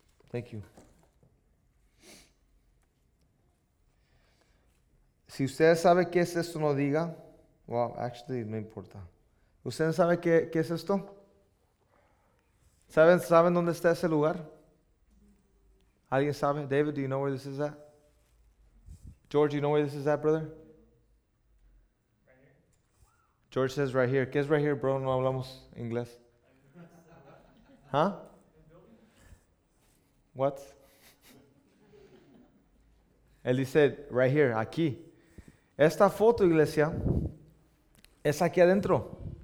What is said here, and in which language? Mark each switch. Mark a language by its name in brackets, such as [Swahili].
[English] Thank you. [Spanish] Si usted sabe qué es esto, no diga. [English] Well, actually, [Spanish] no importa. ¿Usted sabe qué es esto? ¿Saben dónde está ese lugar? ¿Alguien sabe? [English] David, do you know where this is at? George, do you know where this is at, brother? George says right here. [Spanish] ¿Qué es [English] right here, bro? [Spanish] No hablamos inglés. ¿Huh? [English] What? [Spanish] Él dice [English] right here, [Spanish] aquí. Esta foto, iglesia, es aquí adentro.